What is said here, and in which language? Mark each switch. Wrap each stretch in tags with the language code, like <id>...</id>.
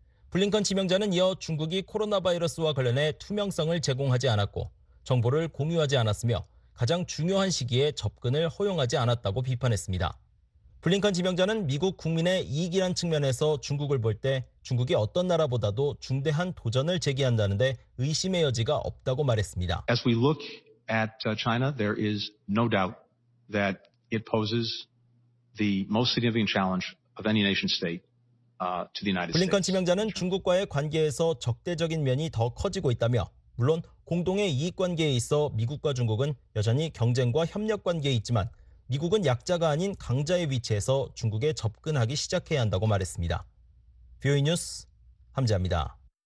<ko>블링컨 지명자는 이어 중국이 코로나 바이러스와 관련해 투명성을 제공하지 않았고 정보를 공유하지 않았으며 가장 중요한 시기에 접근을 허용하지 않았다고 비판했습니다. 블링컨 지명자는 미국 국민의 이익이란 측면에서 중국을 볼 때 중국이 어떤 나라보다도 중대한 도전을 제기한다는데 의심의 여지가 없다고 말했습니다.</ko> <en>As we look at China, there is no doubt that it poses the most significant challenge of any nation state to the United States.</en> <ko>블링컨 지명자는 중국과의 관계에서 적대적인 면이 더 커지고 있다며 물론 공동의 이익 관계에 있어 미국과 중국은 여전히 경쟁과 협력 관계에 있지만 미국은 약자가 아닌 강자의 위치에서 중국에 접근하기 시작해야 한다고 말했습니다. 뷰이 뉴스 함재합니다.</ko>